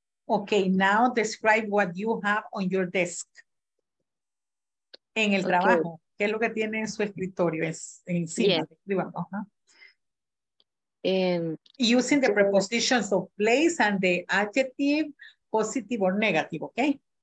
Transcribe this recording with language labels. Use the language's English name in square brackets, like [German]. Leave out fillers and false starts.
[English] Okay, now describe what you have on your desk. [Spanish] En el trabajo, ¿qué es lo que tiene en su escritorio? Es encima, escribamos. [English] Using the prepositions of place and the adjective, positive or negative, okay?